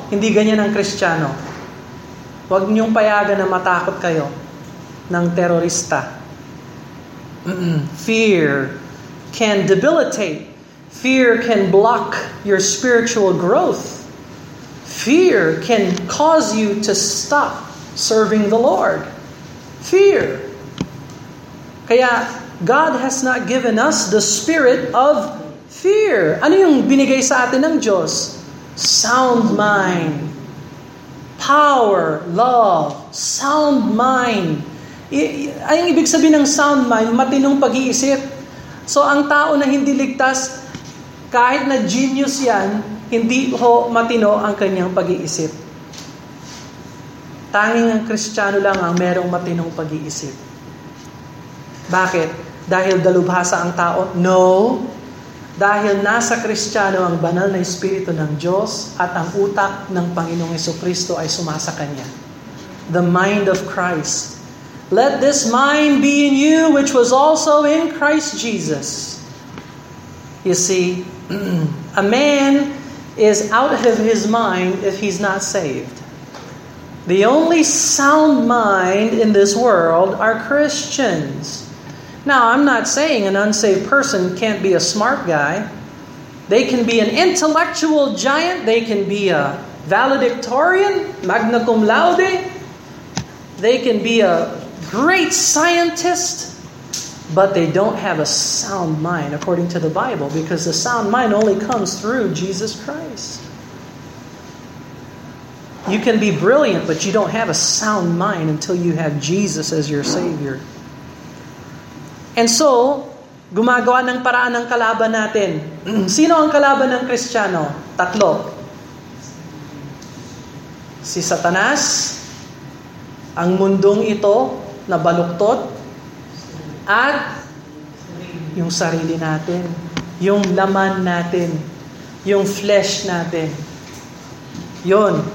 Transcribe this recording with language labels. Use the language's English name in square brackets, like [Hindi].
[Filipino] Hindi ganyan ang Kristiyano. Huwag niyong payagan na matakot kayo ng terorista. [English] Fear can debilitate. Fear can block your spiritual growth. Fear can cause you to stop serving the Lord. Fear. Kaya, God has not given us the spirit of fear. [Filipino] Ano yung binigay sa atin ng Diyos? Sound mind. [English] Power, love, sound mind. [Filipino] Ang ibig sabihin ng sound mind, matinong pag-iisip. So ang tao na hindi ligtas, kahit na genius yan, hindi ho matino ang kanyang pag-iisip. Tanging ang Kristiyano lang ang merong matinong pag-iisip. Bakit? Dahil dalubhasa ang tao? No. Dahil nasa Kristiyano ang banal na Espiritu ng Diyos at ang utak ng Panginoong Hesukristo ay sumasa kanya. [English] The mind of Christ. Let this mind be in you which was also in Christ Jesus. You see, a man is out of his mind if he's not saved. The only sound mind in this world are Christians. Now, I'm not saying an unsaved person can't be a smart guy. They can be an intellectual giant. They can be a valedictorian, magna cum laude. They can be a great scientist. But they don't have a sound mind, according to the Bible, because the sound mind only comes through Jesus Christ. You can be brilliant, but you don't have a sound mind until you have Jesus as your Savior. And so, [Filipino] gumagawa ng paraan ng kalaban natin. Sino ang kalaban ng Kristiyano? Tatlo. Si Satanas, ang mundong ito na baluktot, at yung sarili natin, yung laman natin, yung flesh natin. Yun.